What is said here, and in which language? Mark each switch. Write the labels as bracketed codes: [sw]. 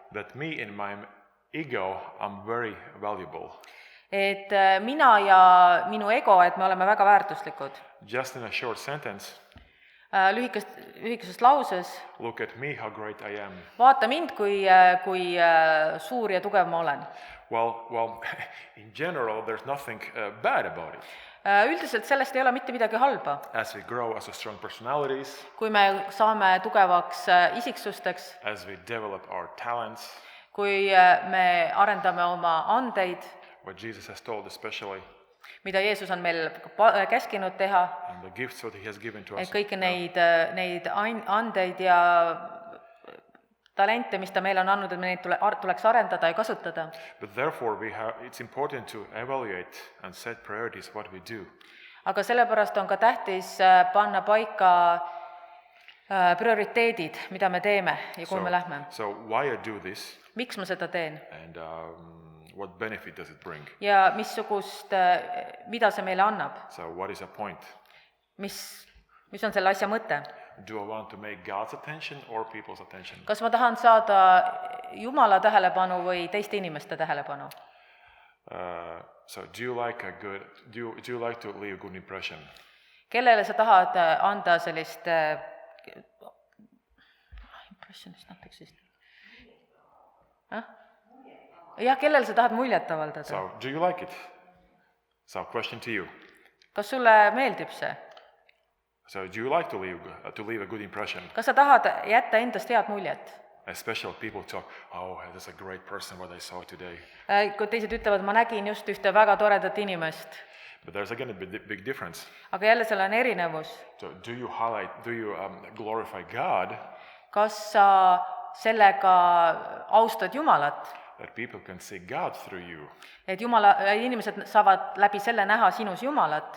[en] That me in my ego I'm very valuable. [et] Et mina ja minu ego, et me oleme väga väärtuslikud. [en] Just in a short sentence. [et] Lühikesest lauses. [en] Look at me how great I am. [et] Vaata mind kui suur ja tugev ma olen. [en] Well in general there's nothing bad about it. [et] Üldiselt sellest ei ole mitte midagi halba. [en] As we grow as a strong personalities. [et] Kui me saame tugevaks isiksusteks. [en] As we develop our talents. [et] Kui me arendame oma andeid. [en] What Jesus has told especially. [et] Mida Jeesus on meil käskinud teha. [en] And the gifts that he has given to us. [et] Et kõik neid andeid ja talente, mis ta meil on annud, et me neid tuleks arendada ja kasutada. [en] But therefore it's important to evaluate and set priorities what we do. [et] Aga sellepärast on ka tähtis panna paika prioriteedid, mida me teeme ja kui me lähme. [en] So why I do this? [et] Miks ma seda teen? [en] And what benefit does it bring? [et] Ja missugust mida see meile annab? [en] So what is the point? [et] Mis on selle asja mõte? [en] Do I want to make God's attention or people's attention? [et] Kas ma tahan saada Jumala tähelepanu või teiste inimeste tähelepanu? [en] So do you like to leave a good impression? [et] Kellele sa tahad anda sellist [en] impression is not existing. [et] Ja kellele sa tahad muljet avaldada? [en] So do you like it? So question to you. [et] Kas sulle meeldib see? [en] So do you like to leave a good impression? [et] Kas sa tahad jätta endast head muljet? [en] Especially people talk, oh, this is a great person what I saw today. [et] Kui teised ütlevad, ma nägin just ühte väga toredat inimest. [en] But there's again a big difference. [et] Aga jälle seal on erinevus. [en] So do you highlight, do you glorify God? [et] Kas sa sellega austad Jumalat? [en] That people can see God through you. [et] Et Jumala, inimesed saavad läbi selle näha sinus Jumalat.